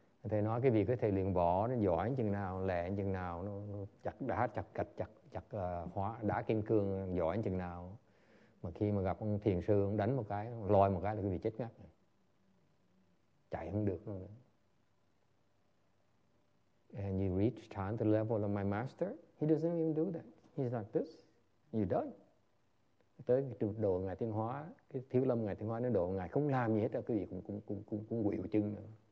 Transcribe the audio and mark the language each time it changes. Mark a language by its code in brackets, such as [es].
[vi] Thầy nói cái việc có thể luyện võ nó giỏi chừng nào, lẹ chừng nào, nó chặt đá, chặt gạch, chặt đá kim cương giỏi chừng nào. Mà khi mà gặp ông thiền sư, ông đánh một cái, lòi một cái là cái việc chết ngắt. Chạy không được luôn. [en] And you reach time to the level of my master, he doesn't even do that. He's like this, you're done. [vi] Tới độ Ngài Thiên Hóa, cái thiếu lâm Ngài Thiên Hóa, nó độ Ngài không làm gì hết đâu, cái việc cũng quỵu chân nữa.